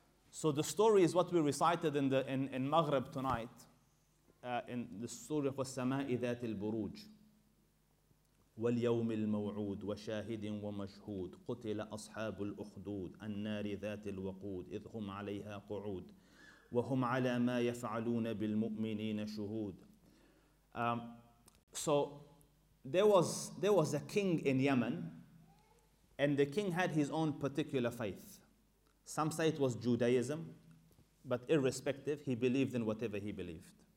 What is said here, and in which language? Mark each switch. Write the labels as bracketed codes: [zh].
[en] So the story is what we recited in Maghrib tonight, in the story of As-Sama'i Dhat Al-Buruj. [ar] واليوم الموعود وشاهد ومشهود قتل أصحاب الأخدود النار ذات الوقود إذ هم عليها قعود وهم على ما يفعلون بالمؤمنين شهود. [en] So there was a king in Yemen, and the king had his own particular faith. Some say it was Judaism, but irrespective, he believed in whatever he believed.